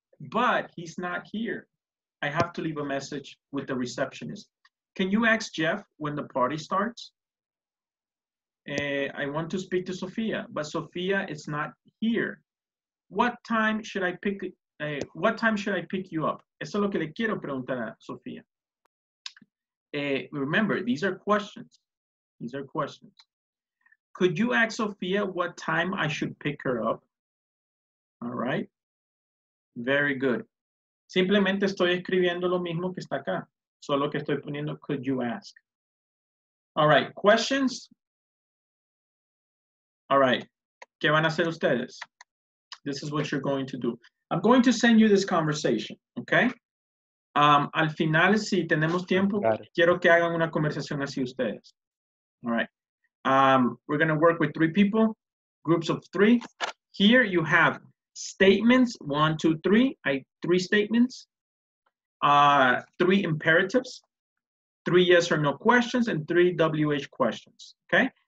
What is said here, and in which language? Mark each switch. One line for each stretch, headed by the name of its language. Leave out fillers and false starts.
English: But he's not here. I have to leave a message with the receptionist. Can you ask Jeff when the party starts? I want to speak to Sofía, but Sofía is not here. What time should I what time should I pick you up?
Spanish: Eso es lo que le quiero preguntar a Sofía.
English: Remember, these are questions. These are questions. Could you ask Sofía what time I should pick her up? All right. Very good.
Spanish: Simplemente estoy escribiendo lo mismo que está acá. Solo que estoy poniendo,
English: could you ask? All right, questions? All right,
Spanish: ¿qué van a hacer ustedes?
English: This is what you're going to do. I'm going to send you this conversation, okay?
Spanish: Al final, si tenemos tiempo, quiero que hagan una conversación así ustedes.
English: All right, we're gonna work with three people, groups of three. Here you have statements, one, two, three, three statements, three imperatives, three yes or no questions, and three WH questions, okay?